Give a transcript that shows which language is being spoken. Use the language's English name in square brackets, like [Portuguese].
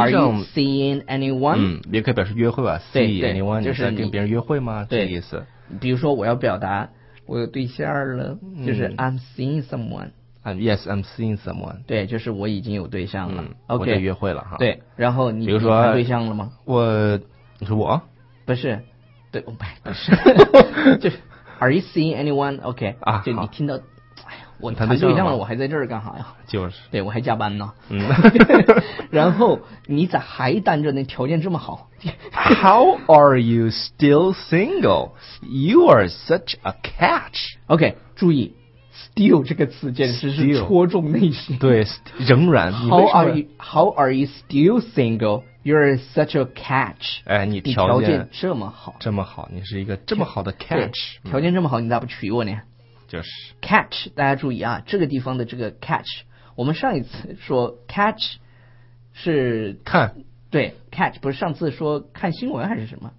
[English] Are you seeing anyone？ [Chinese] 嗯，也可以表示约会吧 ， [English] see anyone？ [Chinese] 就是跟别人约会吗？对，这意思。比如说，我要表达我有对象了，就是 [English] I'm seeing someone。 Yes, I'm seeing someone. [Chinese] 对，就是我已经有对象了。嗯、 [English] OK， [Chinese] 我在约会了哈。对，然后你比如说谈对象了吗？我。你说我？不是，对，不是，就是 [English] Are you seeing anyone? OK [Chinese] 啊，就你听到，哎呀，我谈对象了，我还在这儿干啥呀？就是，对我还加班呢。嗯，然后你咋还单着呢？条件这么好 [English] ？How are you still single? You are such a catch. [Chinese] OK， 注意 ，still 这个词简直是戳中内心。 Still, 对，仍然。 [English] How are you still single? You're such a catch. [Chinese] 哎，你条件这么好，这么好，你是一个这么好的 catch。条件这么好，你咋不娶我呢？就是 catch， 大家注意啊，这个地方的这个 catch， 我们上一次说 catch 是看，对 catch 不是上次说看新闻还是什么？